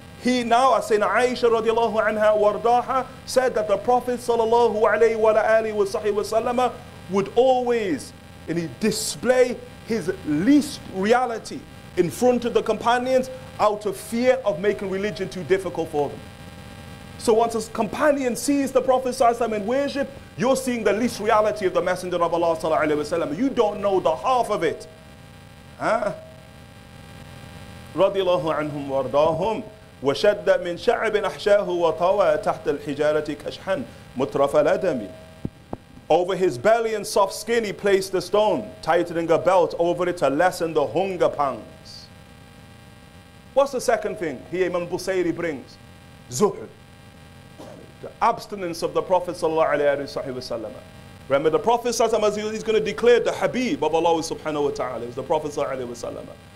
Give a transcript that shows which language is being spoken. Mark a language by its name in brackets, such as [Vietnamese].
[English] He now, as Sayyidina Aisha radiallahu anha wardaha, said that the Prophet sallallahu alayhi wa sahih wa sallama would always display his least reality in front of the companions out of fear of making religion too difficult for them. So once a companion sees the Prophet sallallahu alayhi wa sallam in worship, you're seeing the least reality of the Messenger of Allah sallallahu alayhi wa sallam. You don't know the half of it. Huh? Radiallahu anhum wardahum. [Arabic] وشد من شعب أحشاه وطوى تحت الحجارة كشحن مترف لدمي. [English] Over his belly and soft skin he placed a stone, tightening a belt over it to lessen the hunger pangs. What's the second thing here Imam Busiri brings? Zuhud. The abstinence of the Prophet sallallahu alayhi wa sallam. Remember the Prophet sallallahu alayhi wa sallam, he's going to declare the Habib of Allah subhanahu wa ta'ala, the Prophet sallallahu alayhi wa sallam.